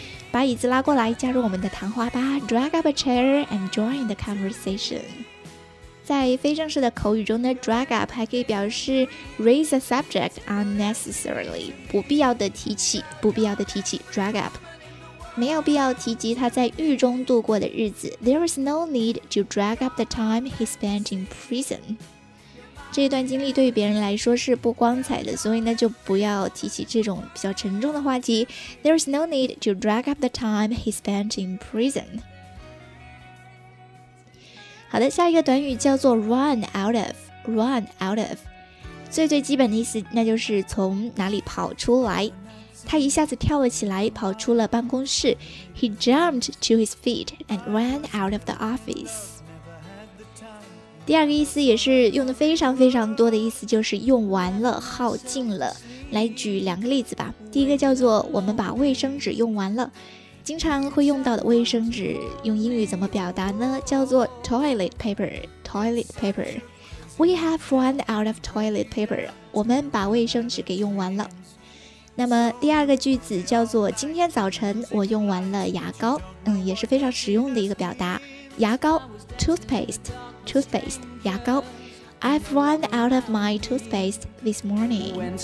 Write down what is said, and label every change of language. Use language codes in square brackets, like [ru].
[zh] 把椅子拉过来加入我们的谈话吧。 [en] Drag up a chair and join the conversation. [zh] 在非正式的口语中呢， drag up 还可以表示 [en] raise a subject unnecessarily， [zh] 不必要的提起，不必要的提起， drag up没有必要提及他在狱中度过的日子。 [en] There is no need to drag up the time he spent in prison. [zh] 这段经历对于别人来说是不光彩的，所以呢就不要提起这种比较沉重的话题。 [en] There is no need to drag up the time he spent in prison. [zh] 好的，下一个短语叫做 run out of， run out of 最最基本的意思那就是从哪里跑出来。他一下子跳了起来，跑出了办公室。 [en] He jumped to his feet and ran out of the office. [zh] 第二个意思也是用的非常非常多的意思，就是用完了，耗尽了。来举两个例子吧。第一个叫做我们把卫生纸用完了。经常会用到的卫生纸用英语怎么表达呢？叫做 [en] toilet paper, toilet paper. We have run out of toilet paper. [zh] 我们把卫生纸给用完了。那么第二个句子叫做今天早晨我用完了牙膏，也是非常实用的一个表达。牙膏 toothpaste， toothpaste 牙膏。 [en] I've run out of my toothpaste this morning.